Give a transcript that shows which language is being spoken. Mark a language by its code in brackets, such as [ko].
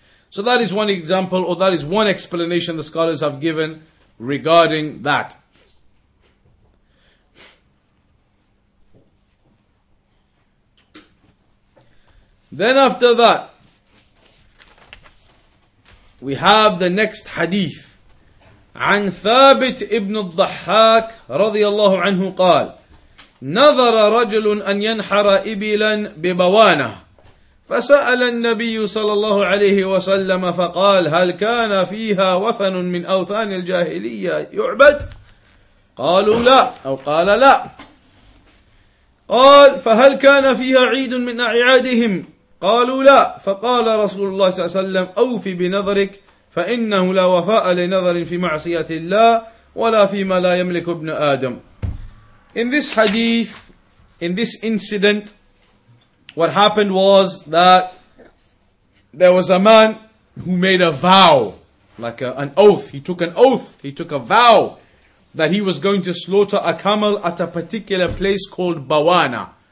[en] So that is one example, or that is one explanation the scholars have given regarding that. Then after that, we have the next hadith. [ar] عن ثابت ابن الضحاك رضي الله عنه قال نظر رجل أن ينحر إبلا ببوانة فسأل النبي صلى الله عليه وسلم فقال هل كان فيها وثن من أوثان الجاهلية يعبد؟ قالوا لا أو قال لا. قال فهل كان فيها عيد من أعيادهم؟ قالوا لا. فقال رسول الله صلى الله عليه وسلم أوفي بنظرك فإنه لا وفاء لنظر في معصية الله ولا فيما لا يملك ابن آدم. [en] In this hadith, in this incident, what happened was that there was a man who made a vow, like an oath. He took an oath, he took a vow that he was going to slaughter a camel at a particular place called Bawana.